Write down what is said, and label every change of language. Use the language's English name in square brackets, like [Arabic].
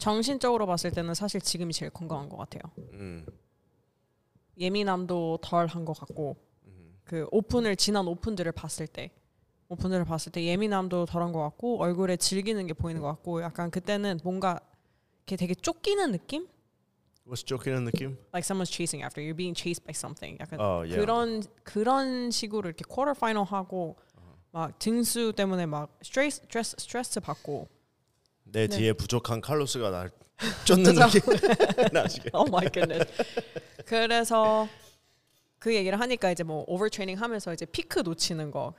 [Korean] 정신적으로 봤을 때는 사실 지금이 제일 건강한 것 같아요. Mm-hmm. 예민함도 덜한 것 같고 mm-hmm. 그 오픈을 지난 오픈들을 봤을 때. 오픈들을 봤을 때 예민함도 덜한 것 같고 얼굴에 질기는 게 보이는 것 같고 약간 그때는 뭔가 이렇게 되게 쫓기는 느낌? [English] What's [Korean] 쫓기는 느낌? [English] Like someone's chasing after you, being chased by something. [Korean] 약간 [English] oh, yeah. [Korean] 그런 식으로 이렇게 quarter final 하고 uh-huh. 막 등수 때문에 막 스트레스 받고 내 네. 뒤에 부족한 칼로스가 날 쫓는 느낌. [English] Oh my goodness. [Korean] 그래서 그 얘기를 하니까 이제 뭐 오버트레이닝 하면서 이제 피크 놓치는 거.